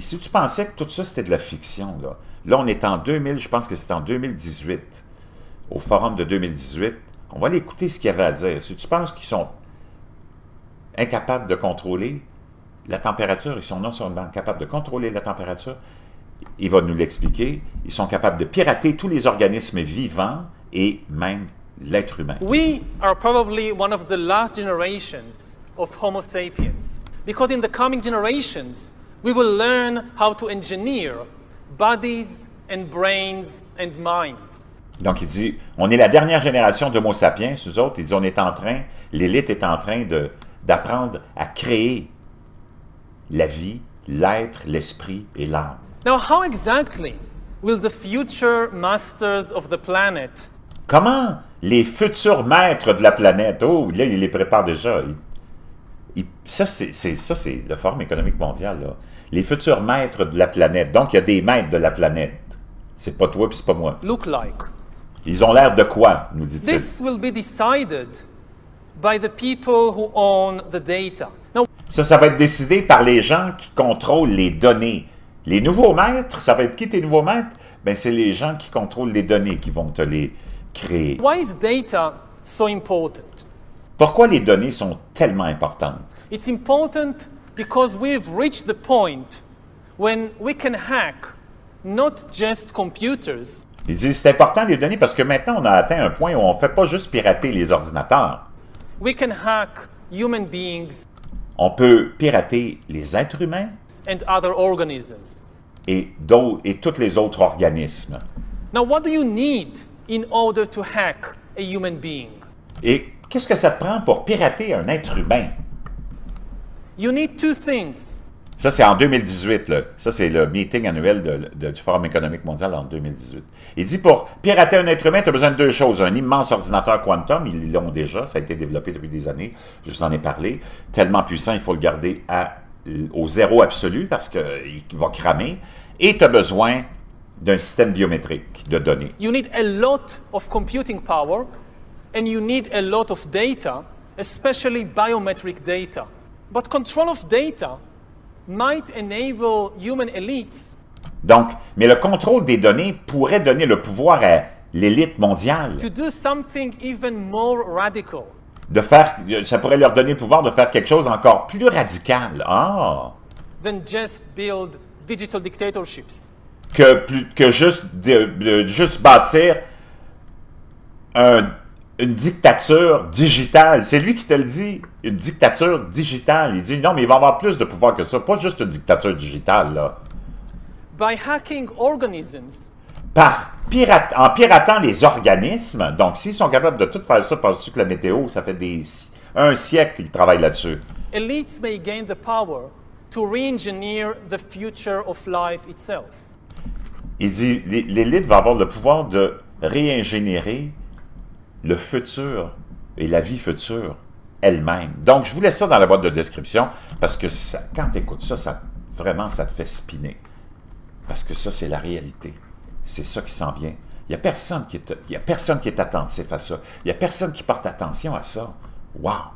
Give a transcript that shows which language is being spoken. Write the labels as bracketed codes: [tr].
[fr] Si tu pensais que tout ça, c'était de la fiction, là on est en 2000, je pense que c'est en 2018, au Forum de 2018, on va aller écouter ce qu'il avait à dire. Si tu penses qu'ils sont incapables de contrôler la température, ils sont non seulement capables de contrôler la température, il va nous l'expliquer. Ils sont capables de pirater tous les organismes vivants et même l'être humain. [en] We are probably one of the last generations of Homo sapiens, because in the coming generations, we will learn how to engineer bodies and brains and minds. [fr] Donc il dit, on est la dernière génération d'Homo sapiens, nous autres. Il dit, on est en train, l'élite est en train d'apprendre à créer la vie, l'être, l'esprit et l'âme. [en] Now, how exactly will the future masters of the planet... [fr] Comment les futurs maîtres de la planète... Oh, là, il les prépare déjà. Ça, c'est le Forum économique mondial, là. Les futurs maîtres de la planète. Donc, il y a des maîtres de la planète. C'est pas toi, puis c'est pas moi. [en] Look like. [fr] Ils ont l'air de quoi, nous dit-il. [en] This will be decided by the people who own the data. [fr] Now, ça va être décidé par les gens qui contrôlent les données. Les nouveaux maîtres, ça va être qui tes nouveaux maîtres? Ben c'est les gens qui contrôlent les données qui vont te les créer. [en] Why is data so important? [fr] Pourquoi les données sont tellement importantes? [en] It's important because we've reached the point when we can hack not just computers. [fr] Il dit, c'est important les données parce que maintenant on a atteint un point où on ne fait pas juste pirater les ordinateurs. [en] We can hack human beings. [fr] On peut pirater les êtres humains. [en] And other organisms. [fr] Et tous les autres organismes. [en] Now, what do you need in order to hack a human being? [fr] Et qu'est-ce que ça te prend pour pirater un être humain? [en] You need two things. [fr] Ça, c'est en 2018, là. Ça, c'est le meeting annuel du Forum économique mondial en 2018. Il dit, pour pirater un être humain, tu as besoin de deux choses. Un immense ordinateur quantum, ils l'ont déjà, ça a été développé depuis des années, je vous en ai parlé. Tellement puissant, il faut le garder au zéro absolu parce qu'il va cramer. Et tu as besoin d'un système biométrique de données. [en] You need a lot of computing power and you need a lot of data, especially biometric data. But control of data might enable human elites. [fr] Donc, mais le contrôle des données pourrait donner le pouvoir à l'élite mondiale. [en] To do something even more radical. [fr] Ça pourrait leur donner le pouvoir de faire quelque chose encore plus radical. Ah. [en] Than just build digital dictatorships. [fr] Que juste bâtir une dictature digitale. C'est lui qui te le dit, une dictature digitale. Il dit non, mais il va avoir plus de pouvoir que ça, pas juste une dictature digitale, là. [en] By hacking organisms. [fr] En piratant les organismes, donc s'ils sont capables de tout faire ça, penses-tu que la météo, ça fait un siècle qu'ils travaillent là-dessus? [en] Elites may gain the power to re-engineer the future of life itself. [fr] Il dit, l'élite va avoir le pouvoir de réingénérer le futur et la vie future elle-même. Donc, je vous laisse ça dans la boîte de description, parce que ça, quand tu écoutes ça, vraiment, ça te fait spinner. Parce que ça, c'est la réalité. C'est ça qui s'en vient. Il n'y a personne qui est attentif à ça. Il n'y a personne qui porte attention à ça. Wow!